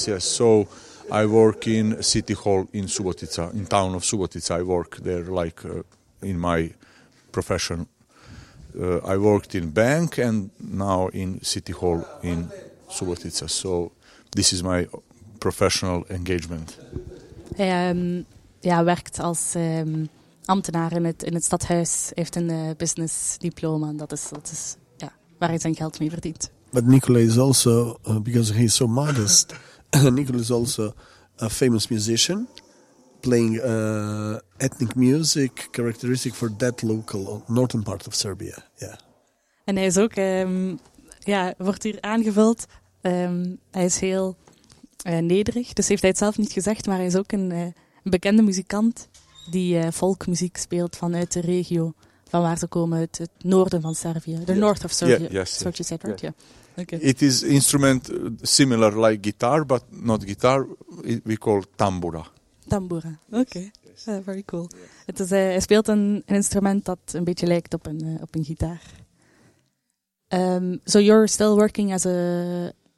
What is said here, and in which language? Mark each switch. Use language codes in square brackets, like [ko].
[en] So I work in City Hall in Subotica, in town of Subotica. I work there in my profession. I worked in bank and now in City Hall in Subotica. So this is my professional engagement. [nl] Hij werkt als ambtenaar in het stadhuis, heeft een business diploma, en dat is waar hij zijn geld mee verdient. [en] But Nicola is also, because he's so modest, Nicola is also a famous musician, playing ethnic music, characteristic for that local, northern part of Serbia. Yeah. [nl] En hij is ook, wordt hier aangevuld... hij is heel nederig, dus heeft hij het zelf niet gezegd, maar hij is ook een bekende muzikant die folkmuziek speelt vanuit de regio van waar ze komen, het noorden van Servië. [en] The north of Serbia, what you said, right? Yeah. Okay. It is instrument similar like guitar, but not guitar. We call tambura. Tambura, oké. Okay. Very cool. [nl] Het is, hij speelt een instrument dat een beetje lijkt op een gitaar. [en] So you're still working as a